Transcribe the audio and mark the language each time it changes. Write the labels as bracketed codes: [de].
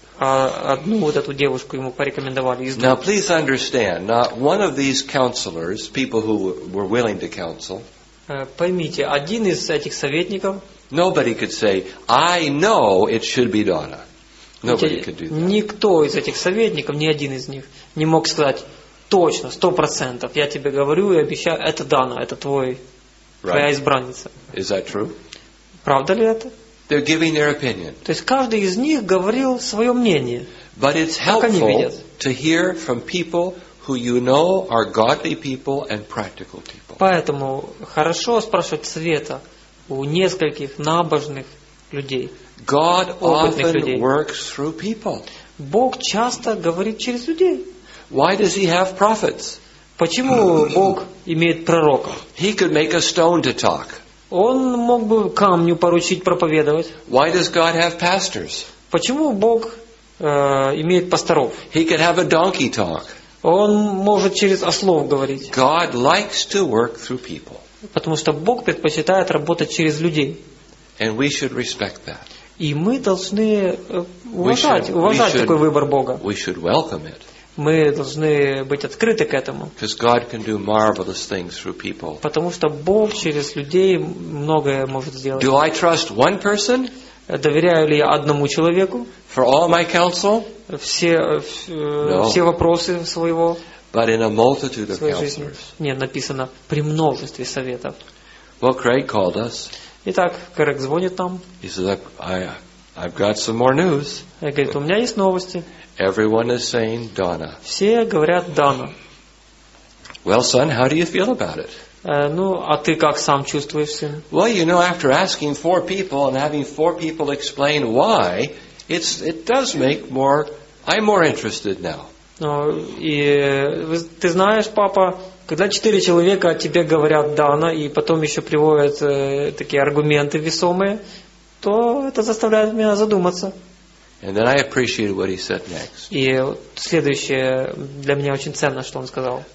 [ru] А одну вот эту девушку ему порекомендовали. [en] Now please understand, not one of these counselors, people who were willing to counsel. [ru] Поймите, один из этих советников. [en] Nobody could say, I know it should be Donna. Nobody could do that. [ru] Никто из этих советников, ни один из них, не мог сказать. Точно, 100%. Я тебе говорю и обещаю, это Дана, это твой, [en] right. [ru] Твоя избранница. [en] Is that true? [ru] Правда ли это? [en] They're giving their opinion. [ru] То есть каждый из них говорил свое мнение. [en] But it's helpful to hear from people who you know are godly people and practical people. [ru] Поэтому хорошо спрашивать совета у нескольких набожных людей. [en] God [ru] опытных [en] often [ru] людей. [en] Works through people. [ru] Бог часто говорит через людей. [en] Why does he have prophets? [ru] Почему Бог имеет пророков? [en] He could make a stone to talk. [ru] Он мог бы камню поручить проповедовать. [en] Why does God have pastors? [ru] Почему Бог имеет пасторов? [en] He could have a donkey talk. [ru] Он может через ослов говорить. [en] God likes to work through people. [ru] Потому что Бог предпочитает работать через людей. [en] And we should respect that. [ru] И мы должны уважать такой выбор Бога. [en] We should welcome it. [ru] Мы должны быть открыты к этому. [en] Because God can do marvelous things through people. [ru] Потому что Бог через людей многое может сделать. [en] Do I trust one person? [ru] Доверяю ли я одному человеку? [en] For all my counsel? [ru] Все вопросы своего. [en] But in a multitude of counselors. [ru] Нет, написано при множестве советов. [en] Well, Craig called us. [ru] Итак, Крэг звонит нам. [en] He says, I've got some more news. [ru] Я говорю, у меня есть новости. [en] Everyone is saying Donna. [ru] Все говорят Donna. [en] Well, son, how do you feel about it? [ru] Ну, а ты как сам чувствуешь, сын? [en] Well, you know, after asking four people and having four people explain why, it does make more. I'm more interested now. [ru] Ну, и ты знаешь, папа, когда четыре человека тебе говорят Donna и потом еще приводят такие аргументы весомые, то это заставляет меня задуматься. [en] And then I appreciated what he said next. [ru] И следующее для меня очень ценно, что он сказал.